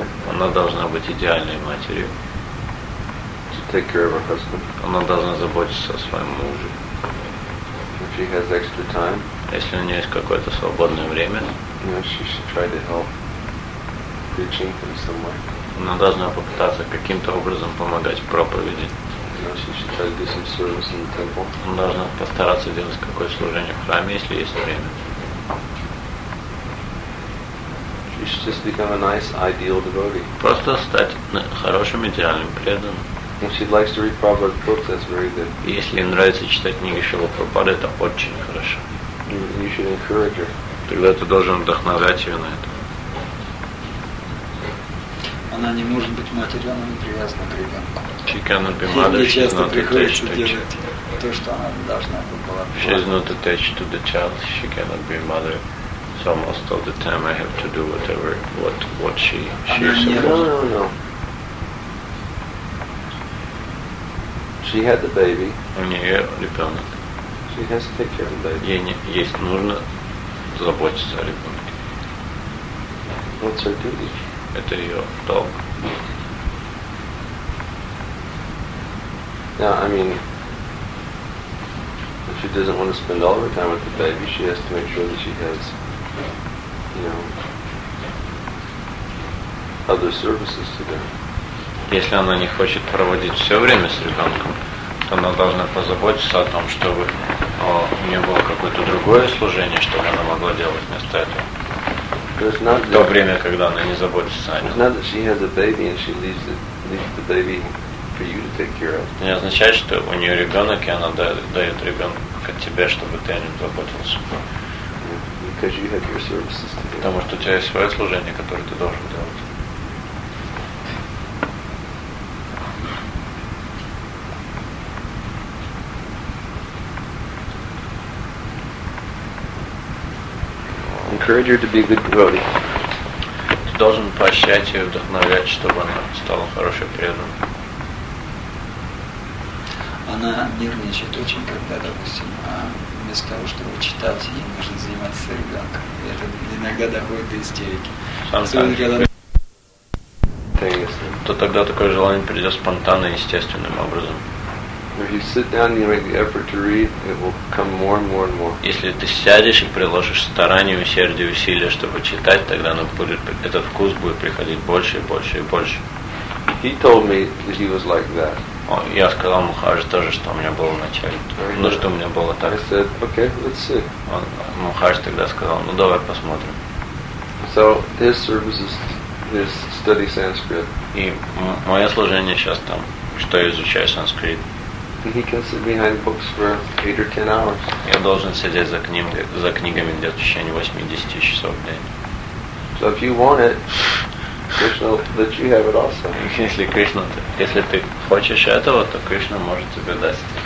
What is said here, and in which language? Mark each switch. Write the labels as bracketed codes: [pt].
[ru] Она должна быть идеальной матерью. [en] Take care of her husband. [ru] Она должна заботиться о своем муже. [en] If she has extra time, [ru] если у нее есть какое-то свободное время, [en] you know, she should try to help preaching in some way. [ru] Она должна попытаться каким-то образом помогать проповеди. [en] You know, she should try to do some service in the temple. [ru] Она должна постараться делать какое-то служение в храме, если есть время. [en] She should just become a nice ideal devotee. [ru] Просто стать хорошим идеальным преданным. [en] If she likes to read Prabhupada's books, that's very good. [ru] Если ей нравится читать книги Шрилы Прабхупады, это очень хорошо. [en] You should encourage her. [ru] Тогда ты должен вдохновлять ее на это. Она не может быть матерью, она не привязана к ребенку. [en] She cannot be mother, she's not attached to the child. She's not attached to the child. She cannot be mother. So most of the time I have to do whatever what she supposed to. No. She had the baby. [ru] У нее ребенок. [en] She has to take care of the baby. [ru] Ей нужно заботиться о ребенке. [en] What's her duty? [ru] Это ее долг. [en] Now, I mean, she doesn't want to spend all her time with the baby, she has to make sure that she has, you know, other services to do. [ru] Если она не хочет проводить все время с ребенком, то она должна позаботиться о том, чтобы у нее было какое-то другое служение, чтобы она могла делать вместо этого. То время, когда она не заботится о нем. [en] It's not that she has a baby and she leaves the baby for you to take care of. [ru] Не означает, что у нее ребенок, и она дает ребенка тебе, чтобы ты о нем заботился. [en] Because you have your services to do. [ru] Потому что у тебя есть свое служение, которое ты должен делать. [en] Encourage her to be a good devotee. [ru] Ты должен поощрять ее, вдохновлять, чтобы она стала хорошей преданной. Она нервничает очень, когда, допустим, вместо того, чтобы читать, ей нужно заниматься ребенком. Это иногда доходит до истерики. То тогда такое желание придет спонтанно и естественным образом. [en] If you sit down and you make the effort to read, it will come more and more and more. [ru] Если ты сядешь и приложишь старание, усердие, усилия, чтобы читать, тогда этот вкус будет приходить больше и больше и больше. [en] He told me that he was like that. [ru] Я сказал Мухарджи тоже, что у меня было вначале. Ну что у меня было так. [en] I said, okay, let's see. [ru] Мухарджи тогда сказал, ну давай посмотрим. [en] So his service is his study Sanskrit. [ru] И мое служение сейчас там, что я изучаю санскрит. [en] He can sit behind books for 8 or 10 hours. [ru] Я должен сидеть за книгами где-то в течение 8-10 часов в день. [en] So if you want it, Krishna will let you have it also. [ru] Если Кришна, если ты хочешь этого, то Кришна может тебе дать.